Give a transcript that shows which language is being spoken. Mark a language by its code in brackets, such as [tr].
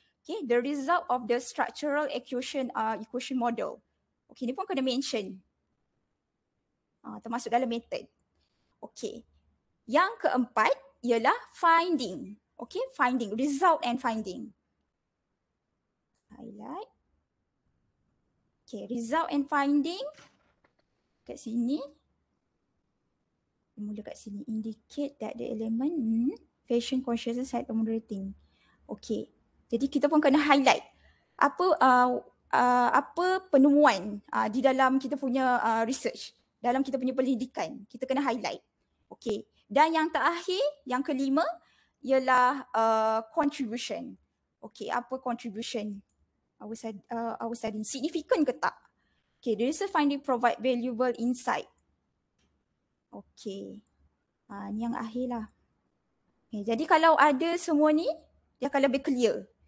[en] Okay, the result of the structural equation equation model. [ms] Okay, ni pun kena mention. Termasuk dalam method. Okay, yang keempat ialah finding. [en] Okay, finding, result and finding. Highlight. Okay, result and finding [ms] kat sini. Mula kat sini, [en] indicate that the element fashion consciousness had a moderating. [ms] Okay, jadi kita pun kena highlight apa apa penemuan di dalam kita punya research, dalam kita punya penyelidikan, kita kena highlight. Okay, dan yang terakhir, yang kelima ialah contribution. [en] Okay, apa contribution our study, significant [ms] ke tak? [en] Okay, the research finding provide valuable insight. [ms] Okay. Ni yang akhir lah. Okay, jadi kalau ada semua ni, dia akan lebih clear.